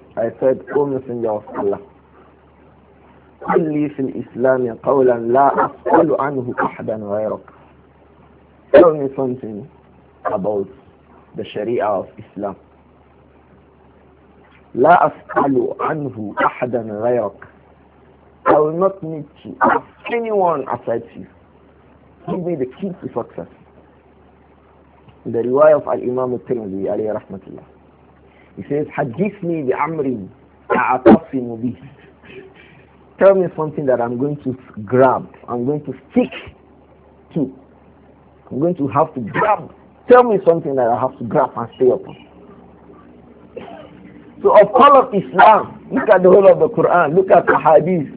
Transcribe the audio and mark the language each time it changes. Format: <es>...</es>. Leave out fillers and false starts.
<en>I said, O Messenger of Allah,</en> <ar>قل لي في الإسلام قولا لا أسأل عنه أحدا غيرك.</ar> <en>Tell me something about the Sharia of Islam.</en> <ar>لا أسأل عنه أحدا غيرك.</ar> <en>I will not need to ask anyone aside you. Give me the key to success. The riwayah of Al-Imam Al-Tirmidhi alayhi rahmatullah. He says,</en> <ar>حدثني بأمر أعتصم به.</ar> <en>Tell me something that I'm going to grab. I'm going to stick to. I'm going to have to grab. Tell me something that I have to grab and stay upon. So of all of Islam, look at the whole of the Quran, look at the Hadith.</en>